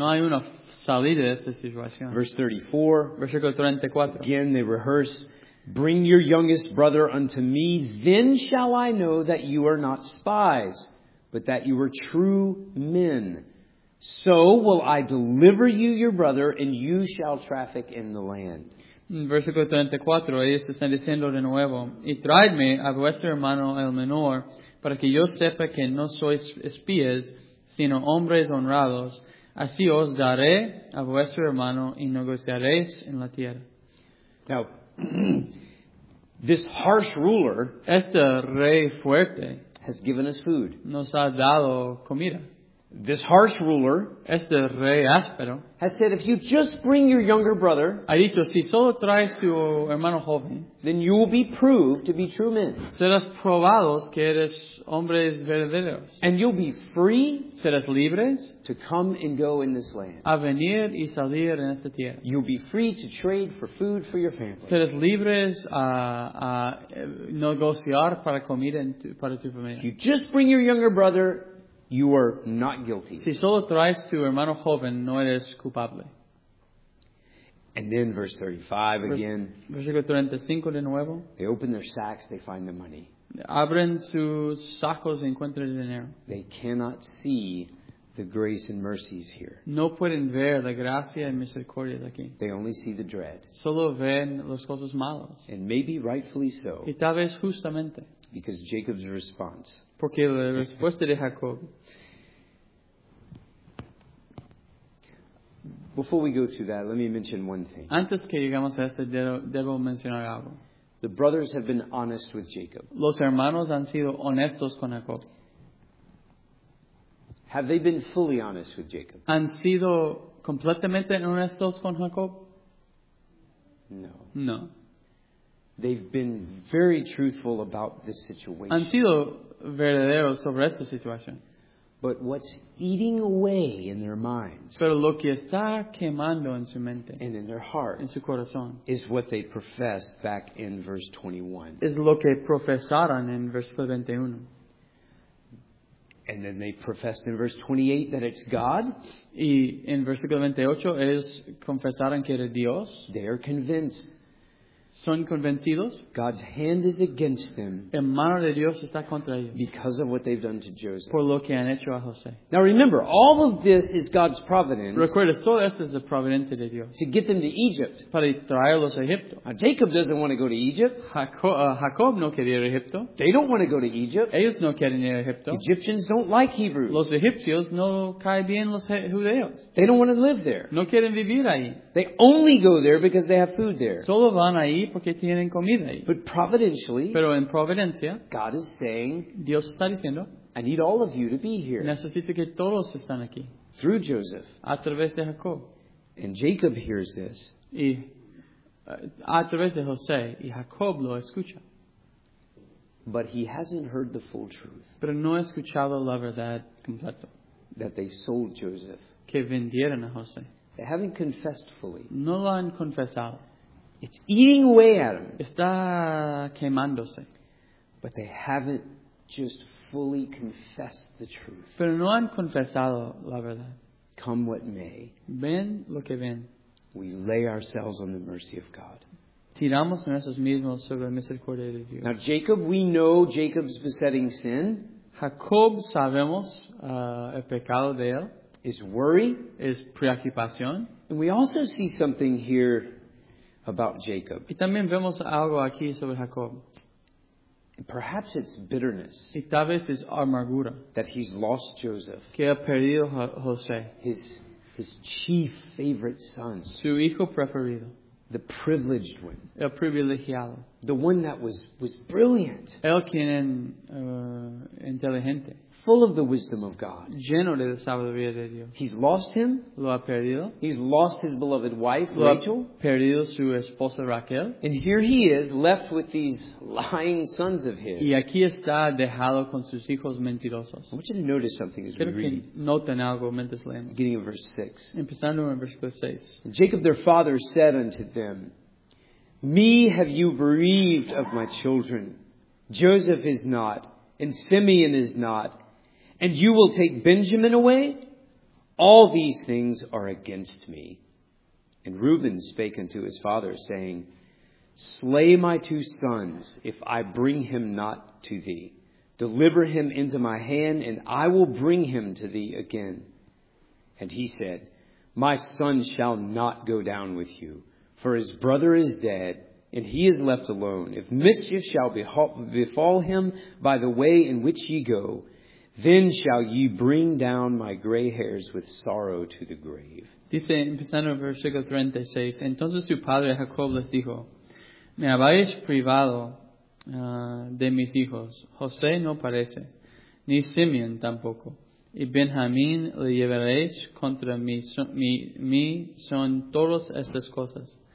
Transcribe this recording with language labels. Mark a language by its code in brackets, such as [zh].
[es] No hay una salida de esta situación. [en] Verse 34. [es] Versículo 34. [en] Again, they rehearse. Bring your youngest brother unto me, then shall I know that you are not spies, but that you are true men. So will I deliver you your brother, and you shall traffic in the land. [es] Versículo 34, ellos están diciendo de nuevo, y traedme a vuestro hermano el menor, para que yo sepa que no sois espías, sino hombres honrados. Así os daré a vuestro hermano y negociaréis en la tierra. [en] Now, this harsh ruler, [es] este rey fuerte, [en] has given us food. [es] Nos ha dado comida. [en] This harsh ruler, [es] este rey áspero, [en] has said, if you just bring your younger brother, [es] ha dicho, si solo traes tu hermano joven, [en] then you will be proved to be true men. [es] Serás probados que eres hombres verdaderos. [en] And you'll be free, [es] serás libres, [en] to come and go in this land. [es] A venir y salir en esta tierra. [en] You'll be free to trade for food for your family. [es] Serás libres a negociar para comida en tu, para tu familia. [en] If you just bring your younger brother, you are not guilty. [es] Si solo traes tu hermano joven, no eres culpable. [en] And then verse 35 again. [es] Versículo 35 de nuevo. [en] They open their sacks, they find the money. [es] Abren sus sacos y encuentran el dinero. [en] They cannot see the grace and mercies here. [es] No pueden ver la gracia y misericordia aquí. [en] They only see the dread. [es] Solo ven las cosas malas. [en] And maybe rightfully so. [es] Y tal vez justamente. [en] Because Jacob's response. [es] Porque la respuesta de Jacob. [en] Before we go through that, let me mention one thing. [es] Antes que llegamos a esto, debo mencionar algo. [en] The brothers have been honest with Jacob. [es] Los hermanos han sido honestos con Jacob. [en] Have they been fully honest with Jacob? [es] ¿Han sido completamente honestos con Jacob? [en] No. [es] No. [en] They've been very truthful about this situation. [es] Han sido verdadero sobre esta situación. [en] But what's eating away in their minds, [es] pero lo que está quemando en su mente, [en] and in their heart, [es] en su corazón, [en] is what they professed back in verse 21. [es] Es lo que profesaron en versículo 21. [en] And then they professed in verse 28 that it's God. [es] Y en versículo 28 ellos confesaron que era Dios. [en] They are convinced. [es] Son convencidos. [en] God's hand is against them. [es] El mano de Dios está contra ellos. [en] Because of what they've done to Joseph. [es] Por lo que han hecho a José. [en] Now remember, all of this is God's providence. [es] Recuerda, todo esto es la providencia de Dios. [en] To get them to Egypt. [es] Para traerlos a Egipto. [en] Now, Jacob doesn't want to go to Egypt. [es] Jacob no quiere ir a Egipto. [en] They don't want to go to Egypt. [es] Ellos no quieren ir a Egipto. [en] Egyptians don't like Hebrews. [es] Los egipcios no caen bien los judeos. [en] They don't want to live there. [es] No quieren vivir ahí. [en] They only go there because they have food there. [es] Solo van ahí porque tienen comida ahí. [en] But providentially, [es] pero en providencia, [en] God is saying, [es] Dios está diciendo, [en] I need all of you to be here. [es] Necesito que todos estén aquí. [en] Through Joseph. [es] A través de Jacob. [en] And Jacob hears this. [es] Y, a través de José y Jacob lo escucha. [en] But he hasn't heard the full truth. [es] Pero no ha escuchado la verdad completa. [en] That they sold Joseph. [es] Que vendieron a José. [en] They haven't confessed fully. [es] No lo han confesado. [en] It's eating away at them. [es] Está quemándose. [en] But they haven't just fully confessed the truth. [es] Pero no han confesado la verdad. [en] Come what may. [es] Ven lo que ven. [en] We lay ourselves on the mercy of God. [es] Tiramos nosotros mismos sobre la misericordia de Dios. [en] Now Jacob, we know Jacob's besetting sin. [es] Jacob sabemos el pecado de él. [en] Is worry. [es] Is preocupación. [en] And we also see something here about Jacob. [es] Y también vemos algo aquí sobre Jacob. [en] Perhaps it's bitterness. [es] Y tal vez es amargura. [en] That he's lost Joseph. [es] Que ha perdido José. [en] His chief favorite son. [es] Su hijo preferido. [en] The privileged one. [es] El privilegiado. [en] The one that was brilliant. [es] El quien era inteligente. [en] Full of the wisdom of God. [es] Lleno de la sabiduría de Dios. [en] He's lost him. [es] Lo ha perdido. [en] He's lost his beloved wife, [es] lo [en] Rachel. [es] Lo ha perdido su esposa, Raquel. [en] And here he is, left with these lying sons of his. [es] Y aquí está dejado con sus hijos mentirosos. [en] I want you to notice something as [es] quiero [en] we read. [es] Noten algo mientras leemos. [en] Beginning in verse 6. [es] Empezando en versículo 6. [en] Jacob their father said unto them, me have you bereaved of my children. Joseph is not, and Simeon is not. And you will take Benjamin away? All these things are against me. And Reuben spake unto his father, saying, slay my two sons, if I bring him not to thee. Deliver him into my hand, and I will bring him to thee again. And he said, my son shall not go down with you, for his brother is dead, and he is left alone. If mischief shall befall him by the way in which ye go, then shall ye bring down my gray hairs with sorrow to the grave. [es] Dice, empezando en versículo 36, entonces su padre Jacob les dijo, me habéis privado de mis hijos. José no parece, ni Simeón tampoco. y Benjamín le llevaréis contra mí son todas estas cosas.